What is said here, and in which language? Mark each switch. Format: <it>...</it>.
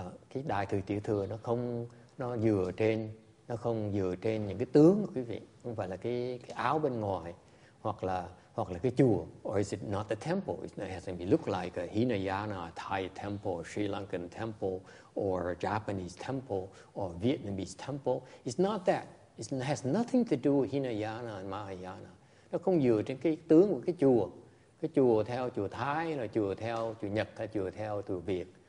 <vi>Cái đại thừa tiểu thừa nó không dựa trên những cái tướng quý vị, không phải là cái áo bên ngoài hoặc là cái chùa.</vi> <en>Or is it not the temple? It has to be look like a Hinayana, a Thai temple, Sri Lankan temple, or a Japanese temple, or a Vietnamese temple. It's not that. It has nothing to do with Hinayana and Mahayana.</en> <vi>Nó không dựa trên cái tướng của cái chùa. Cái chùa theo chùa Thái, là chùa theo chùa Nhật, là chùa theo chùa Việt.</vi>